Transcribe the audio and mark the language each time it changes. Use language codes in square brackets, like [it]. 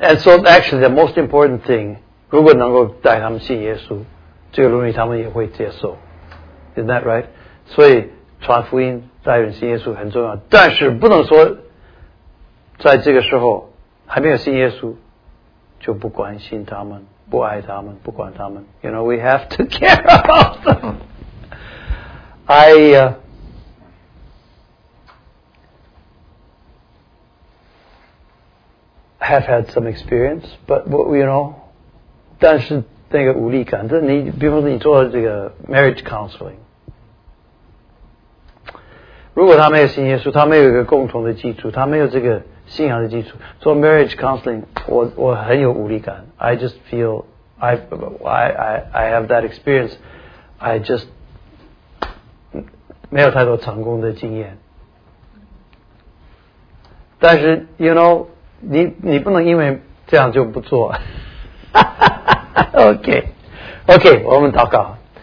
[en] And so actually, the most important thing, [zh] 如果能够带他们信耶稣，这个伦理他们也会接受。 [en] Isn't that right? [zh] 所以。传福音带人信耶稣很重要，但是不能说在这个时候还没有信耶稣就不关心他们，不爱他们，不管他们。 [en] You know, we have to care about them. I have had some experience, but you know, [zh] 但是那个无力感，你比如说你做这个 marriage counseling,如果他没有信耶稣，他没有一个共同的基础，他没有这个信仰的基础，做 marriage counseling, 我很有无力感。 [en] I just feel, I have that experience. I just, [zh] 没有太多成功的经验。但是 [en] you know, [zh] 你不能因为这样就不做。 [en] Okay, [zh] 我们祷告。